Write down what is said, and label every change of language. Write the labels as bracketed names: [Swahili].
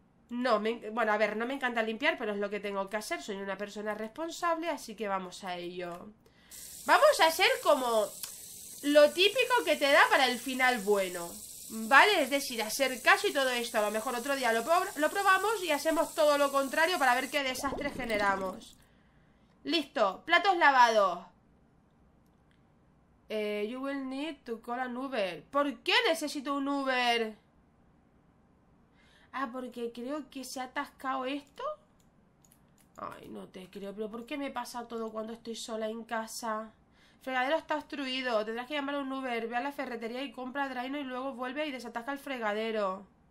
[Spanish] No, bueno, a ver, no me encanta limpiar, pero es lo que tengo que hacer. Soy una persona responsable, así que vamos a ello. Vamos a hacer como lo típico que te da para el final bueno. ¿Vale? Es decir, hacer caso y todo esto. A lo mejor otro día lo probamos y hacemos todo lo contrario para ver qué desastre generamos. Listo, platos lavados. [English] You will need to call an Uber. [Spanish] ¿Por qué necesito un Uber? Ah, porque creo que se ha atascado esto. Ay, no te creo. ¿Pero por qué me pasa todo cuando estoy sola en casa? Fregadero está obstruido, tendrás que llamar a un Uber. Ve a la ferretería y compra Draino y luego vuelve y desataca el fregadero.